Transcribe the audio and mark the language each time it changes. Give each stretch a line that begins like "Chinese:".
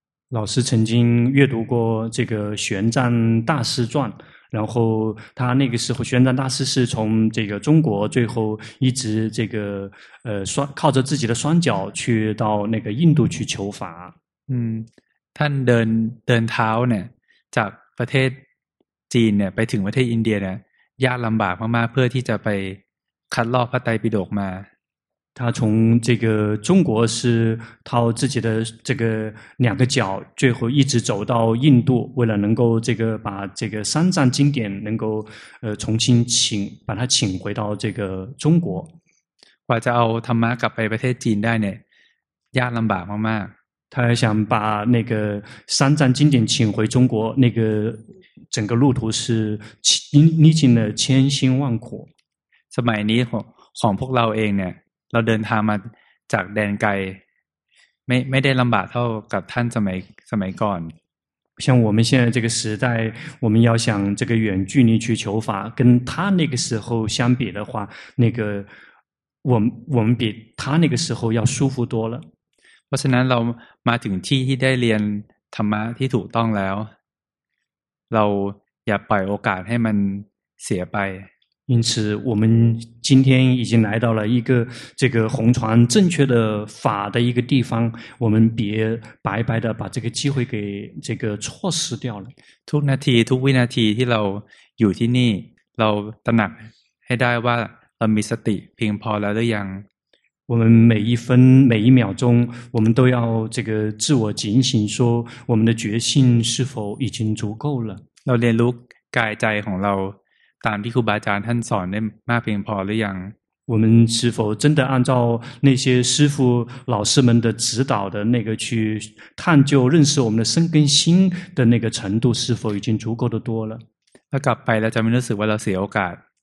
Chinese: 老师曾经阅读过这个玄奘大师传，然后他那个时候玄奘大师是从这个中国最后一直这个靠着自己的双脚去到那个印度去求法。
Thai: ท่านเดินเท้าเนี่ยจากประเทศจีนเนี่ยไปถึงประเทศอินเดียเนี่ยยากลำบากมากๆเพื่อที่จะไปคัดลอกพระไตรปิฎกมา
Chinese: 他从这个中国是掏自己的这个两个脚，最后一直走到印度，为了能够这个把这个三藏经典能够重新把它请回到这个中国。
Thai: ว่าจะเอาธรรมะกลับไปประเทศจีนได้เนี่ยยากลำบากมาก
Chinese: 他想把那个三藏经典请回中国，那个整个路途是历尽了千辛万苦。
Thai: สมัยนี้ของพวกเราเองเนี่ยเราเดินทางมาจากแดนไกลไม่ได้ลำบากเท่ากับท่านสมัยก่อน
Chinese: 像我们现在这个时代我们要想这个远距离去求法跟他那个时候相比的话那个我们比他那个时候要舒服多了
Thai: เพราะฉะนั้นเรามาถึงที่ที่ได้เรียนธรรมะที่ถูกต้องแล้วเราอย่าปล่อยโอกาสให้มันเสียไป
Chinese: 因此我们今天已经来到了一个这个弘传正确的法的一个地方我们别白白的把这个机会给这个错失掉了
Thai: ทุกนาทีทุกวินาทีที่เราอยู่ที่นี่เราตระหนักให้ได้ว่าเรามีสติเพียงพอแล้วหรือยัง
Chinese: 我们每一分每一秒钟我们都要这个自我警醒说我们的决心是否已经足够了
Thai: เราเรียนรู้กายใจของเราตามที่ครูบาอาจารย์ท่านสอนได้มากเพียงพอหรือยัง
Chinese: 我们是否真的按照那些师父老师们的指导的那个去探究认识我们的身跟心的那个程度是否已经足够的多了
Thai: ถ้ากลับไปแล้วจะไม่รู้สึกว่าเราเสียโอกาส